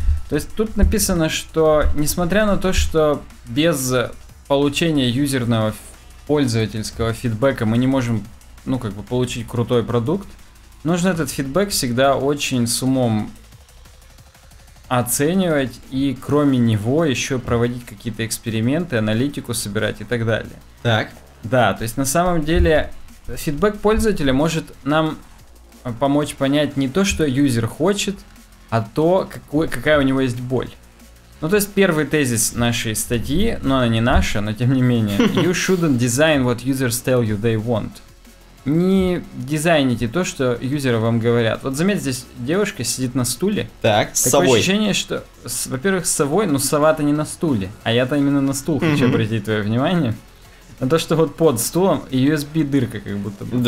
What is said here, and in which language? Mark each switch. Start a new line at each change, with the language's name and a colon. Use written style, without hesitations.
Russian: То есть тут написано, что несмотря на то, что без получения юзерного пользовательского фидбэка мы не можем, ну, как бы получить крутой продукт, нужно этот фидбэк всегда очень с умом оценивать и кроме него еще проводить какие-то эксперименты, аналитику собирать и так далее. Так. Да, то есть на самом деле фидбэк пользователя может нам помочь понять не то, что юзер хочет, а то, какая у него есть боль. Ну то есть первый тезис нашей статьи, но она не наша, но тем не менее.
English: You shouldn't design what users tell you they want.
Russian: Не дизайните то, что юзеры вам говорят. Вот заметь, здесь девушка сидит на стуле. Так, с такое совой. Такое ощущение, что, во-первых, с совой, но сова-то не на стуле. А я-то именно на стул хочу обратить твое внимание. На то, что вот под стулом USB-дырка как будто бы.